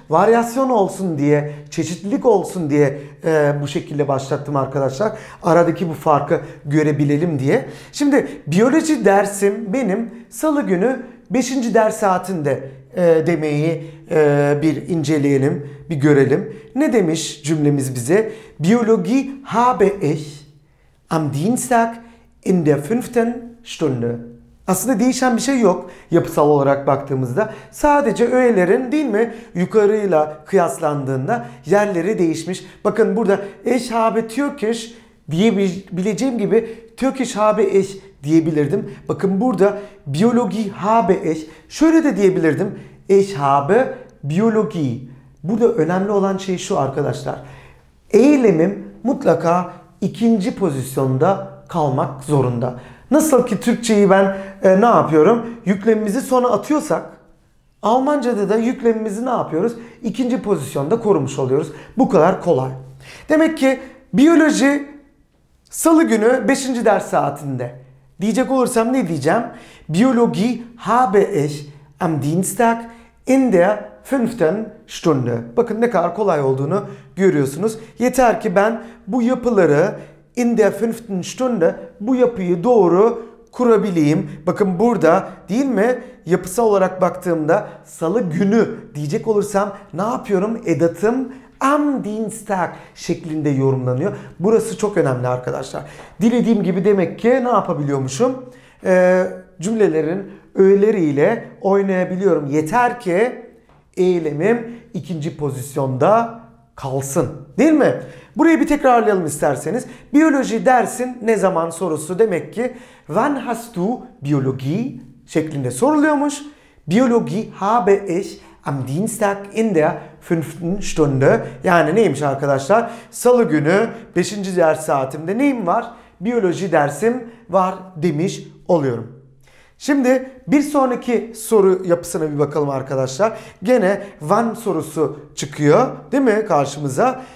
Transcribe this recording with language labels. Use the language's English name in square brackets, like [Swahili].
[Turkish] Varyasyon olsun diye, çeşitlilik olsun diye bu şekilde başlattım arkadaşlar. Aradaki bu farkı görebilelim diye. Şimdi biyoloji dersim benim salı günü 5. ders saatinde demeyi bir inceleyelim, bir görelim. Ne demiş cümlemiz bize? [German] Biyoloji habe ich am Dienstag in der fünften Stunde. [Turkish] Aslında değişen bir şey yok yapısal olarak baktığımızda. Sadece öğelerin, değil mi, yukarıyla kıyaslandığında yerleri değişmiş. Bakın burada [German] ich habe Türkisch [Turkish] diyebileceğim gibi [German] Türkisch habe ich [Turkish] diyebilirdim. Bakın burada biyoloji [German] habe ich. [Turkish] Şöyle de diyebilirdim. [German] Ich habe biyoloji. [Turkish] Burada önemli olan şey şu arkadaşlar. Eylemim mutlaka ikinci pozisyonda kalmak zorunda. Nasıl ki Türkçeyi ben ne yapıyorum? Yüklemimizi sona atıyorsak, Almanca'da da yüklemimizi ne yapıyoruz? İkinci pozisyonda korumuş oluyoruz. Bu kadar kolay. Demek ki biyoloji salı günü 5. ders saatinde. Diyecek olursam ne diyeceğim? [German] Biyoloji habe ich am Dienstag in der fünften Stunde. [Turkish] Bakın ne kadar kolay olduğunu görüyorsunuz. Yeter ki ben bu yapıları [German] in der fünften Stunde, [Turkish] bu yapıyı doğru kurabileyim. Bakın burada değil mi? Yapısal olarak baktığımda salı günü diyecek olursam ne yapıyorum? Edatım [German] am Dienstag [Turkish] şeklinde yorumlanıyor. Burası çok önemli arkadaşlar. Dilediğim gibi demek ki ne yapabiliyormuşum? Cümlelerin öğeleriyle oynayabiliyorum. Yeter ki eylemim ikinci pozisyonda kalsın. Değil mi? Burayı bir tekrarlayalım isterseniz. Biyoloji dersin ne zaman sorusu demek ki [German] wann hast du Biologie [Turkish] şeklinde soruluyormuş. [German] Biologie habe ich am Dienstag in der 5. Stunde. [Turkish] Yani neymiş arkadaşlar? Salı günü 5. ders saatimde neyim var? Biyoloji dersim var demiş oluyorum. Şimdi bir sonraki soru yapısına bir bakalım arkadaşlar. Gene wann sorusu çıkıyor değil mi karşımıza?